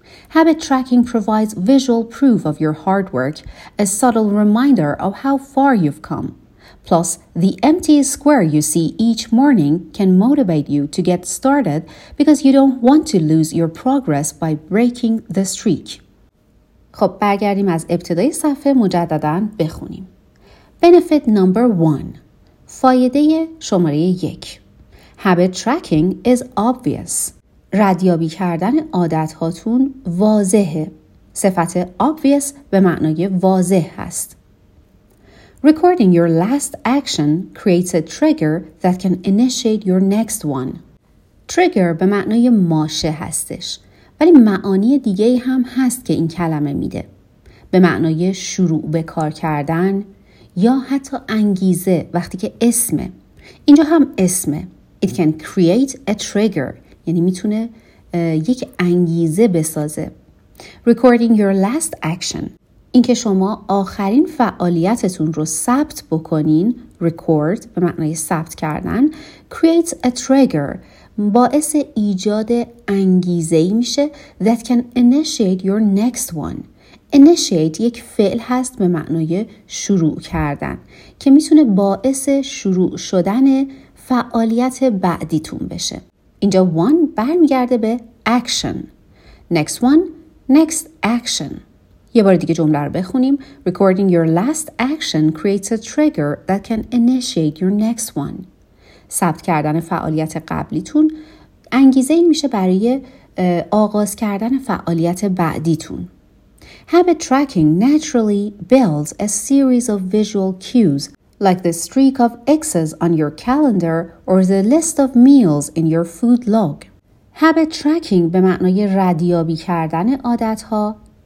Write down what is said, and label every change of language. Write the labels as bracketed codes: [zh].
[en] Habit tracking provides visual proof of your hard work, a subtle reminder of how far you've come. Plus, the empty square you see each morning can motivate you to get started because you don't want to lose your progress by breaking the streak. [fa] خب برگردیم از ابتدای صفحه مجدداً بخونیم. [en] Benefit number 1. [fa] فایده شماره 1. [en] Habit tracking is obvious. [fa] ردیابی کردن عادت هاتون واضحه. صفت obvious به معنای واضح هست. [en] Recording your last action creates a trigger that can initiate your next one. [fa] Trigger به معنای ماشه هستش. ولی معانی دیگه هم هست که این کلمه میده. به معنای شروع به کار کردن یا حتی انگیزه وقتی که اسمه. اینجا هم اسمه. [en] It can create a trigger. [fa] یعنی میتونه یک انگیزه بسازه. [en] Recording your last action. [fa] این که شما آخرین فعالیتتون رو ثبت بکنین، record به معنای ثبت کردن، [en] creates a trigger، [fa] باعث ایجاد انگیزه‌ای میشه [en] that can initiate your next one. [fa] Initiate یک فعل هست به معنای شروع کردن که میتونه باعث شروع شدن فعالیت بعدیتون بشه. اینجا one برمیگرده به action. [en] Next one, next action. [fa] یه بار دیگه جمله رو بخونیم. [en] Recording your last action creates a trigger that can initiate your next one. [fa] ثبت کردن فعالیت قبلیتون انگیزه این میشه برای آغاز کردن فعالیت بعدیتون. [en] Habit tracking naturally builds a series of visual cues like the streak of X's on your calendar or the list of meals in your food log. Habit tracking [fa] به معنای ردیابی کردن عادت‌ها